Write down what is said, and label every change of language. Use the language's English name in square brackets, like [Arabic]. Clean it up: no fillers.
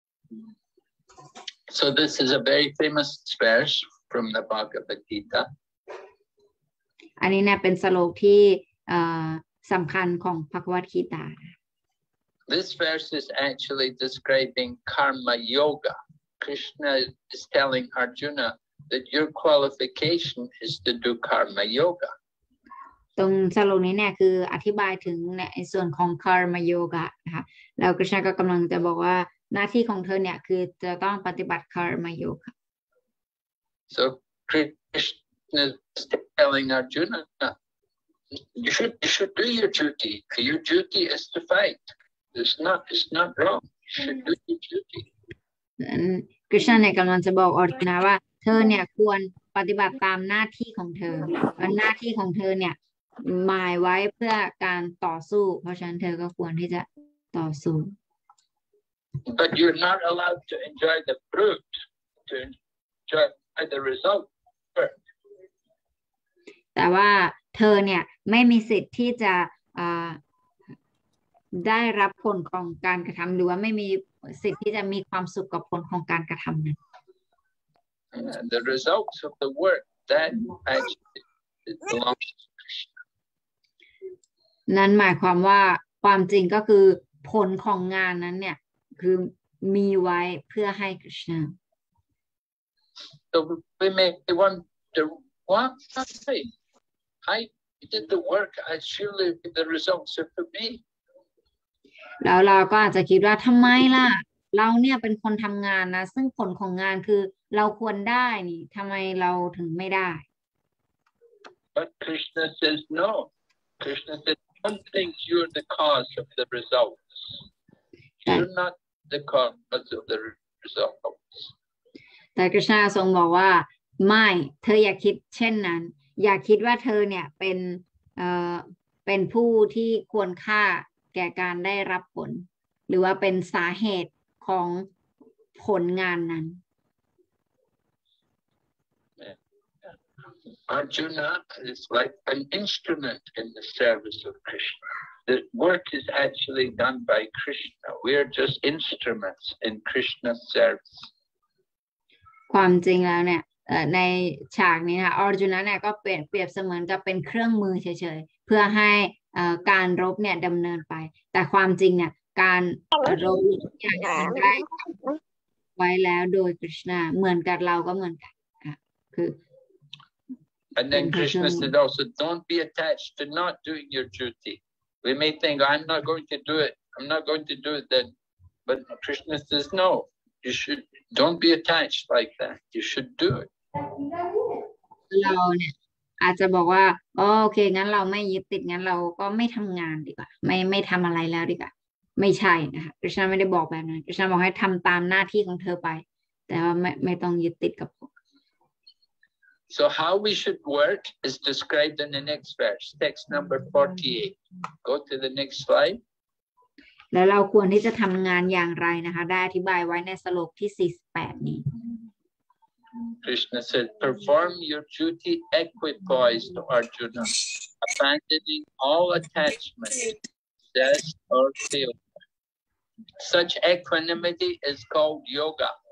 [English] อ So this is a very famous verse from the Bhagavad Gita [Thai] อันนี้เนี่ยเป็นสโลกที่สำคัญของพระกวัตกีตา [English] This verse is actually describing karma yoga Krishna is telling Arjuna that your qualification is to do karma yoga [Thai] ตรงสโลกนี้เนี่ยคืออธิบายถึงในส่วนของ karma yoga นะคะแล้วกฤษณาก็กำลังจะบอกว่าหน้าที่ของเธอเนี่ยคือจะต้องปฏิบัติ karma yoga [English] So Krishna is telling Arjuna You should do your duty. Your duty is to fight. It's not wrong. You should do your duty. [Thai] Krishna เนี่ยกำลังจะบอกอรจุนะว่าเธอเนี่ยควรปฏิบัติตามหน้าที่ของเธอหน้าที่ของเธอเนี่ยหมายไว้เพื่อการต่อสู้เพราะฉะนั้นเธอก็ควรที่จะต่อสู้ [English] But you're not allowed to enjoy the fruit to enjoy the result first. [Thai] แต่ว่าเธอเนี่ยไม่มีสิทธิ์ที่จะได้รับผลของการกระทำหรือว่าไม่มีสิทธิ์ที่จะมีความสุขกับผลของการกระทำนั้น [English] The results of the work that actually belongs to [Thai] นั้นหมายความว่าความจริงก็คือผลของงานนั้นเนี่ยคือมีไว้เพื่อให้กฤษณา [English] So we may wonder what I did the work I surely the results are for me [Thai] แล้วเราก็อาจจะคิดว่าทำไมล่ะเราเนี่ยเป็นคนทำงานนะซึ่งผลของงานคือเราควรได้นี่ทำไมเราถึงไม่ได้ [English] But Krishna says no Krishna says one thing you're the cause of the results you're not the cause of the results [Thai] แต่ Krishna ทรงบอกว่าไม่เธออย่าคิดเช่นนั้นอย่าคิดว่าเธอเนี่ยเป็นผู้ที่ควรค่าแก่การได้รับผลหรือว่าเป็นสาเหตุของผลงานนั้น [English] Arjuna is like an instrument in the service of Krishna. The work is actually done by Krishna. We are just instruments in Krishna's service. [Thai] ความจริงแล้วเนี่ยในฉากนี้นะคะอร์จุนะเนี่ยก็เปรียบเสมือนกับเป็นเครื่องมือเฉยๆเพื่อให้การรบเนี่ยดำเนินไปแต่ความจริงเนี่ยการรบอย่างได้ไว้แล้วโดยกฤษณาเหมือนกับเราก็เหมือนกันค่ะคือ [English] And then Krishna said also don't be attached to not doing your duty we may think I'm not going to do it then but Krishna says no you shouldDon't be attached like that. You should do it. [Thai] เราเนี่ยอาจจะบอกว่าโอเคงั้นเราไม่ยึดติดงั้นเราก็ไม่ทำงานดีกว่าไม่ทำอะไรแล้วดีกว่าไม่ใช่นะคะกฤษณาไม่ได้บอกแบบนั้นกฤษณาบอกให้ทำตามหน้าที่ของเธอไปแต่ว่าไม่ต้องยึดติดกับ [English] So how we should work is described in the next verse, text number 48. Go to the next slide. [Thai] แล้วเราควรที่จะทำงานอย่างไรนะคะได้อธิบายไว้ในสโลกที่48นี้ [English] Krishna said perform your duty equipoised Arjuna abandoning all attachment says or feel such equanimity is called yoga